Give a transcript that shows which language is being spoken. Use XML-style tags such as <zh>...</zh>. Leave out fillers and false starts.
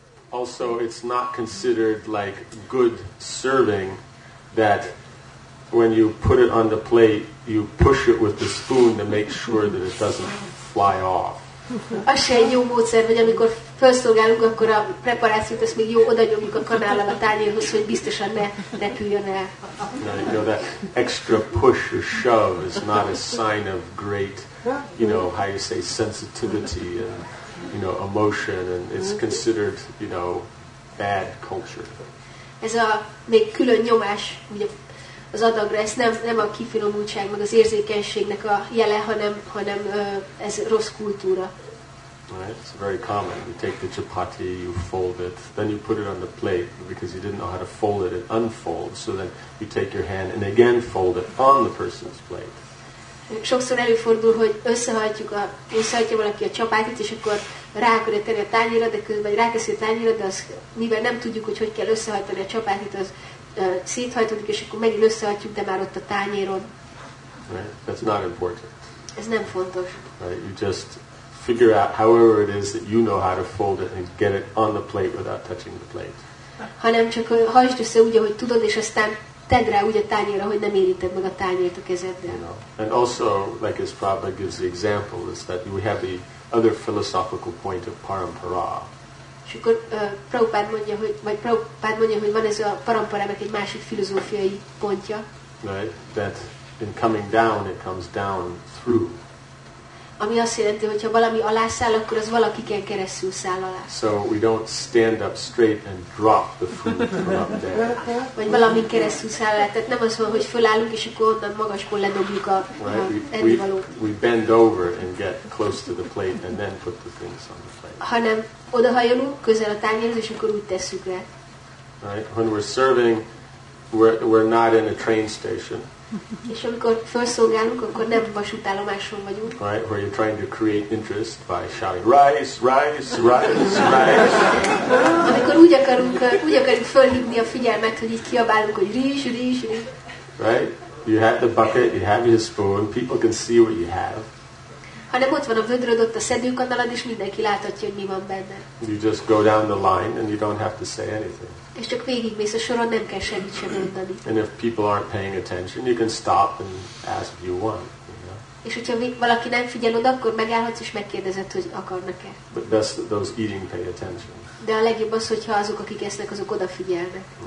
<en>also it's not considered like good serving that when you put it on the plate, you push it with the spoon to make sure that it doesn't fly off.</en> <hu>Az se egy jó módszer, hogy amikor felszolgálunk, akkor a preparációt azt még jó oda nyomjuk a kanállal a tányérhoz, hogy biztosan ne repüljön el.</hu> <en>No, that extra push or shove is not a sign of great, you know, how you say, sensitivity and, you know, emotion, and it's considered, you know, bad culture.</en> <hu>Ez a még külön nyomás, ugye, az adagra, ez nem a kifinomultság, meg az érzékenységnek a jele, hanem ez rossz kultúra.</hu> <en>Right, it's very common. You take the chapati, you fold it, then you put it on the plate, because you didn't know how to fold it and unfold, so then you take your hand and again fold it on the person's plate.</en> <hu>Sokszor előfordul, hogy összehajtja valaki a csapátit, és akkor rá akarja tenni a tányérra, de közben ráteszi a tányérra, de az, mivel nem tudjuk, hogy kell összehajtani a csapátit, az széthajtódik, és akkor megint összehajtjuk, de már ott a tányéron.</hu> <en>Right? That's not important.</en> <hu>Ez nem fontos.</hu> <en>Right? You just figure out however it is that you know how to fold it and get it on the plate without touching the plate.</en> <hu>Hanem csak hajtsd össze úgy, ahogy tudod, és aztán tedd rá úgy a tányérra, hogy nem érinted meg a tányért a kezeddel.</hu> <en>You know. And also, like as Prabhupada gives the example, is that we have the other philosophical point of parampara.</en> <hu>És akkor Prabhupada mondja, hogy van ez a paramparának egy másik filozófiai pontja.</hu> <en>Right? That in coming down, it comes down through.</en> <hu>Ami azt jelenti, hogy ha valami alá száll, akkor az valakiken keresztül száll alá.</hu> <en>So we don't stand up straight and drop the fruit from up there.</en> <hu>Vagy valami keresztül száll alá. Tehát nem az van, hogy fölállunk, és akkor onnan magasból ledobjuk a ennivalót.</hu> <en>We bend over and get close to the plate and then put the things on the plate.</en> <hu>Hanem odahajolunk, közel a tányérhoz, és akkor úgy tesszük rá.</hu> <en>Right? When we're serving, we're not in a train station.</en> <hu>És amikor felszolgálunk, akkor nem vasútállomáson vagyunk.</hu> <en>Right, where you're trying to create interest by shouting rice, rice, rice, rice.</en> <hu>Amikor úgy akarunk fölhívni a figyelmet, hogy így kiabálunk, hogy rizs, rizs, rizs.</hu> <en>Right, you have the bucket, you have your spoon, people can see what you have.</en> <hu>Hanem ott van a vödröd, ott a szedőkanalad, és mindenki láthatja, hogy mi van benne.</hu> <en>You just go down the line and you don't have to say anything.</en> <hu>És csak végigmész a soron, nem kell semmit sem mondani.</hu> <en>And if people aren't paying attention, you can stop and ask if you want.</en> <hu>És hogyha valaki nem figyel oda, akkor megállhatsz és megkérdezed, hogy akarnak-e.</hu> <en>But best those eating pay attention.</en> <hu>De a legjobb az, hogyha azok, akik esznek, azok odafigyelnek.</hu>